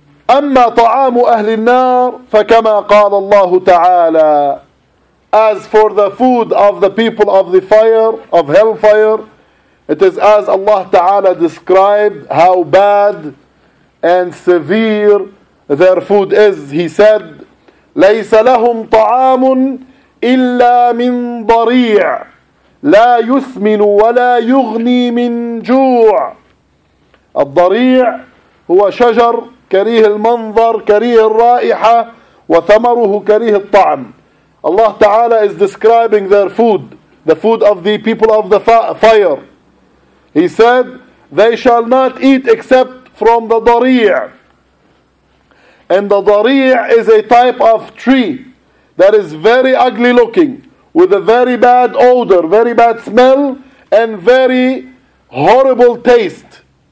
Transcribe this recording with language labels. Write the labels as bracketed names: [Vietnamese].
[Arabic] أَمَّا طَعَامُ أَهْلِ النَّارِ فَكَمَا قَالَ اللَّهُ تَعَالَى [English] As for the food of the people of the fire, of hellfire, it is as Allah Ta'ala described how bad and severe their food is. He said, [Arabic] لَيْسَ لَهُمْ طَعَامٌ إلا من ضريع لا يثمن ولا يغني من جوع الضريع هو شجر كريه المنظر كريه الرائحة وثمره كريه الطعم [English] Allah Ta'ala is describing their food, the food of the people of the fire. He said, they shall not eat except from the dari'. And the dari' is a type of tree that is very ugly looking, with a very bad odor, very bad smell, and very horrible taste.